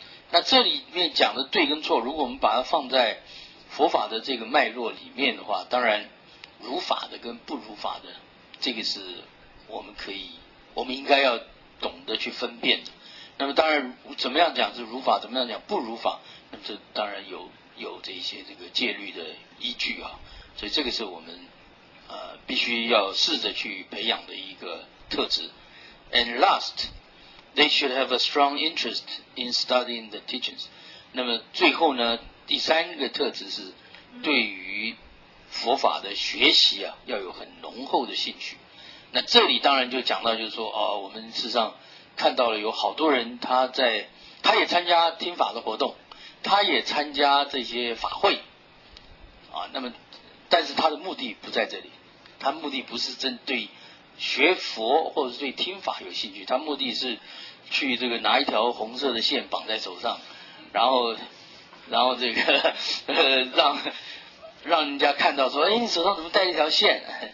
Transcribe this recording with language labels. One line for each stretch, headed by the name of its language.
Chinese: 那这里面讲的对跟错，如果我们把它放在佛法的这个脉络里面的话，当然如法的跟不如法的，这个是我们应该要懂得去分辨的。那么当然怎么样讲是如法，怎么样讲不如法，那么这当然有这些这个戒律的依据啊，所以这个是我们必须要试着去培养的一个特质。
English: And last， they should have a strong interest in studying the teachings。
Chinese: 那么最后呢，第三个特质是对于佛法的学习啊，要有很浓厚的兴趣。那这里当然就讲到，就是说我们事实上看到了有好多人，他也参加听法的活动，他也参加这些法会啊，那么但是他的目的不在这里，他目的不是针对学佛或者是对听法有兴趣，他目的是去这个拿一条红色的线绑在手上，然后这个让人家看到说，哎，你手上怎么带一条线？